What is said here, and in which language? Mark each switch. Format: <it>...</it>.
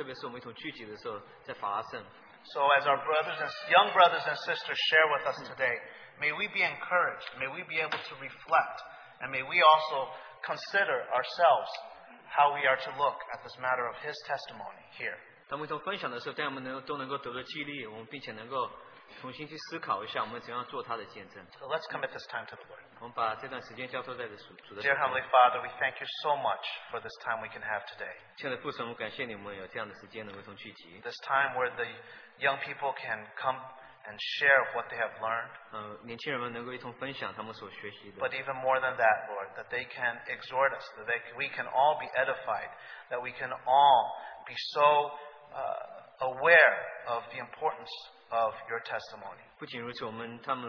<zh>特别是成人们，就是我们实在是否有这样的渴望，希望神的见证实在是在我们当中，特别是我们一同聚集的时候，在发生。</zh> <en>So as our young brothers and sisters share with us today, may we be encouraged, may we be able to reflect, and may we also consider ourselves how we are to look at this matter of his testimony here.</en> <zh>当我们一同分享的时候，大家都能够得到激励，我们并且能够重新去思考一下，我们怎样做他的见证。</zh> <en>So let's commit this time to the Lord.</en> <zh>我们把这段时间交托在主的手中。</zh> <en>Dear Heavenly Father, we thank you so much for this time we can have today.</en> <zh>亲爱的父神，我感谢你们有这样的时间能够重聚集。</zh> <en>This time where the young people can come and share what they have learned.</en> <zh>年轻人们能够一同分享他们所学习的。</zh> <en>But even more than that, Lord, that they can exhort us, that we can all be edified, that we can all be so aware of the importance of your testimony.</en>